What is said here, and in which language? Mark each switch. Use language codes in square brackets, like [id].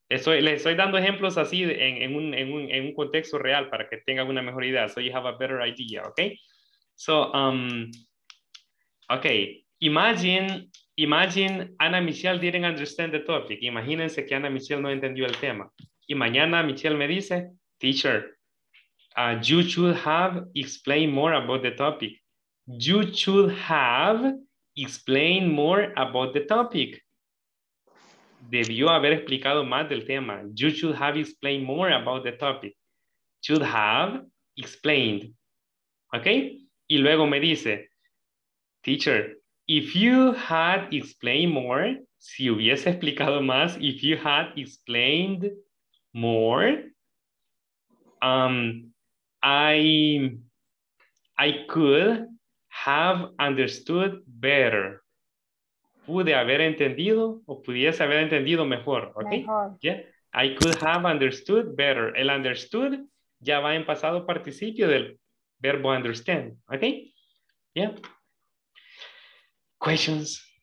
[es] Le estoy dando ejemplos así en un contexto real para que tengan una mejor idea. [en] So you have a better idea, okay? So, okay. Imagine Ana Michelle didn't understand the topic. [es] Imagínense que Ana Michelle no entendió el tema. Y mañana Michelle me dice, [en] teacher, you should have explained more about the topic. You should have explained more about the topic. [es] Debió haber explicado más del tema. [en] You should have explained more about the topic. Should have explained. Okay? [es] Y luego me dice, [en] teacher, if you had explained more, [es] si hubiese explicado más, [en] if you had explained more, I could have understood better. [es] Pude haber entendido o pudiese haber entendido mejor, ¿ok? Mejor. [en] Yeah. I could have understood better. [es] El understood ya va en pasado participio del verbo understand, [en] ¿ok? Yeah. Questions.